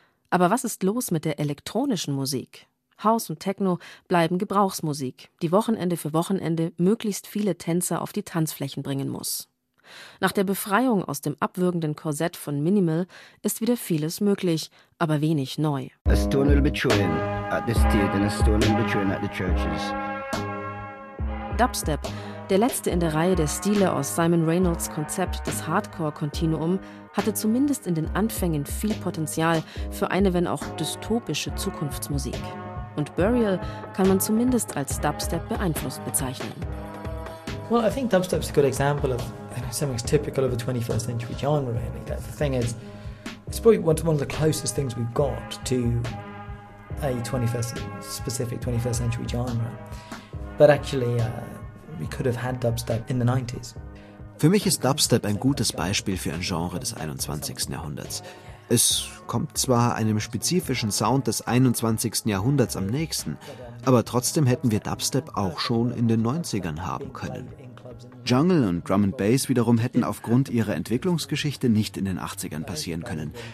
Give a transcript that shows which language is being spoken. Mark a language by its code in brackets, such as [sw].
[de] Aber was ist los mit der elektronischen Musik? House und Techno bleiben Gebrauchsmusik, die Wochenende für Wochenende möglichst viele Tänzer auf die Tanzflächen bringen muss. Nach der Befreiung aus dem abwürgenden Korsett von Minimal ist wieder vieles möglich, aber wenig neu. [en] A stone will be thrown at the stage and a stone will be thrown at the churches. Dubstep [de] Der letzte in der Reihe der Stile aus Simon Reynolds' Konzept, das Hardcore-Kontinuum, hatte zumindest in den Anfängen viel Potenzial für eine, wenn auch dystopische Zukunftsmusik. Und Burial kann man zumindest als Dubstep beeinflusst bezeichnen. [en] Well, I think dubstep is a good example of something typical of a 21st century genre. Really, that the thing is, it's probably one of the closest things we've got to a 21st century genre. But actually, we could have had dubstep in the 90s. [de] Für mich ist Dubstep ein gutes Beispiel für ein Genre des 21. Jahrhunderts. Es kommt zwar einem spezifischen Sound des 21. Jahrhunderts am nächsten, aber trotzdem hätten wir Dubstep auch schon in den 90ern haben können. Jungle und Drum and Bass wiederum hätten aufgrund ihrer Entwicklungsgeschichte nicht in den 80ern passieren können.